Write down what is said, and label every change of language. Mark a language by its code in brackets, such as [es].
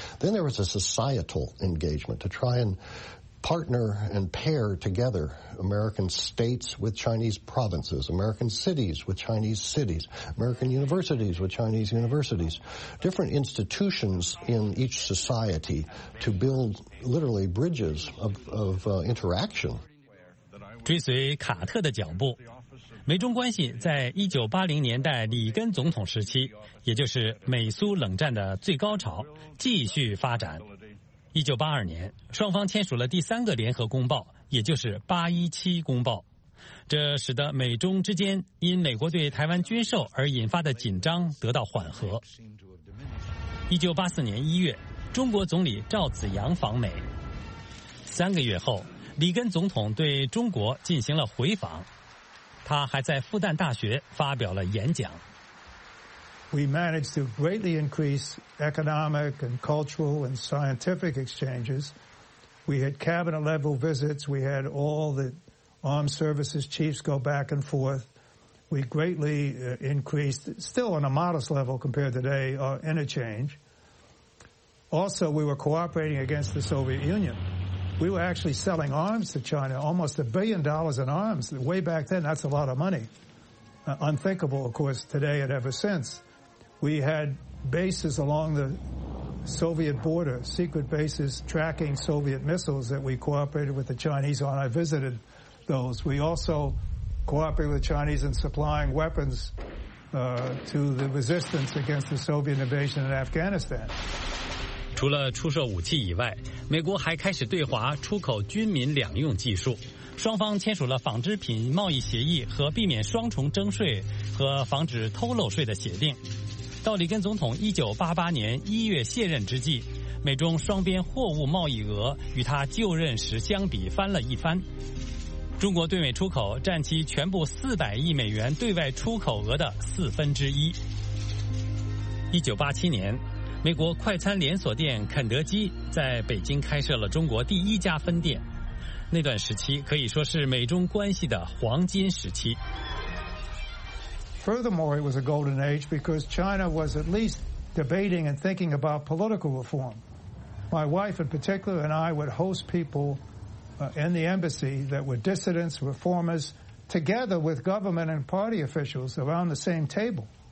[en] Then there was a societal engagement to try and partner and pair together American states with Chinese provinces, American cities with Chinese cities, American universities with Chinese universities, different institutions in each society to build literally bridges of interaction. [zh] 追随卡特的脚步，美中关系在1980年代里根总统时期，也就是美苏冷战的最高潮，继续发展。 1982年，双方签署了第三个联合公报，也就是817公报，这使得美中之间因美国对台湾军售而引发的紧张得到缓和。 1984年1月，中国总理赵紫阳访美。三个月后，里根总统对中国进行了回访，他还在复旦大学发表了演讲。 [en] We managed to greatly increase economic and cultural and scientific exchanges. We had cabinet level visits. We had all the armed services chiefs go back and forth. We greatly increased, still on a modest level compared to today, our interchange. Also, we were cooperating against the Soviet Union. We were actually selling arms to China, almost $1 billion in arms. Way back then, that's a lot of money. Unthinkable, of course, today and ever since. We had bases along the Soviet border, secret bases tracking Soviet missiles that we cooperated with the Chinese on. I visited those. We also cooperated with the Chinese in supplying weapons, to the resistance against the Soviet invasion in Afghanistan. [zh] 除了出售武器以外，美国还开始对华出口军民两用技术。双方签署了纺织品贸易协议和避免双重征税和防止偷漏税的协定。到里根总统1988年1月卸任之际，美中双边货物贸易额与他就任时相比翻了一番。中国对美出口占其全部400亿美元对外出口额的四分之一。 1987年，美国快餐连锁店肯德基在北京开设了中国第一家分店，那段时期可以说是美中关系的黄金时期。 [en] Furthermore, it was a golden age because China was at least debating and thinking about political reform. My wife in particular and I would host people in the embassy that were dissidents, reformers, together with government and party officials around the same table.